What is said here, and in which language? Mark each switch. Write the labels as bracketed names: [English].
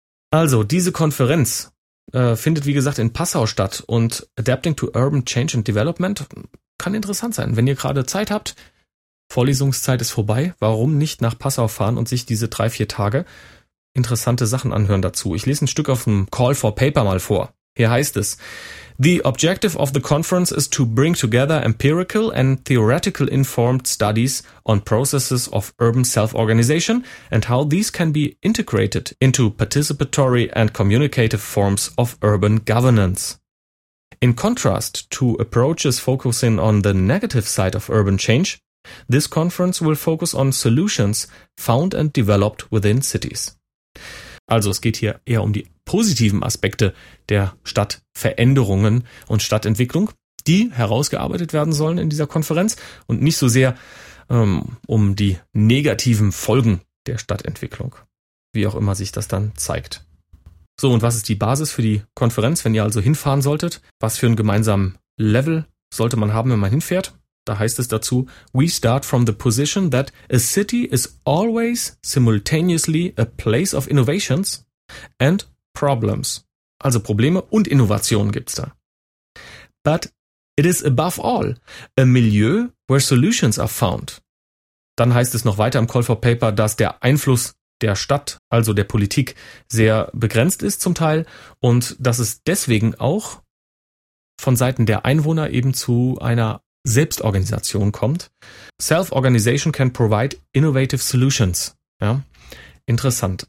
[German] Also, diese Konferenz findet, wie gesagt, in Passau statt und Adapting to Urban Change and Development kann interessant sein. Wenn ihr gerade Zeit habt, Vorlesungszeit ist vorbei, warum nicht nach Passau fahren und sich diese 3-4 Tage interessante Sachen anhören dazu. Ich lese ein Stück auf dem Call for Paper mal vor. Hier heißt es: [English] The objective of the conference is to bring together empirical and theoretical informed studies on processes of urban self-organization and how these can be integrated into participatory and communicative forms of urban governance. In contrast to approaches focusing on the negative side of urban change, this conference will focus on solutions found and developed within cities. [German] Also es geht hier eher um die positiven Aspekte der Stadtveränderungen und Stadtentwicklung, die herausgearbeitet werden sollen in dieser Konferenz und nicht so sehr um die negativen Folgen der Stadtentwicklung, wie auch immer sich das dann zeigt. So, und was ist die Basis für die Konferenz, wenn ihr also hinfahren solltet? Was für einen gemeinsamen Level sollte man haben, wenn man hinfährt? Da heißt es dazu: [English] We start from the position that a city is always simultaneously a place of innovations and problems. [German] Also Probleme und Innovationen gibt's da. [English] But it is above all a milieu where solutions are found. [German] Dann heißt es noch weiter im Call for Paper, dass der Einfluss der Stadt, also der Politik, sehr begrenzt ist zum Teil und dass es deswegen auch von Seiten der Einwohner eben zu einer Selbstorganisation kommt. [English] Self-organization can provide innovative solutions. [German] Ja, interessant.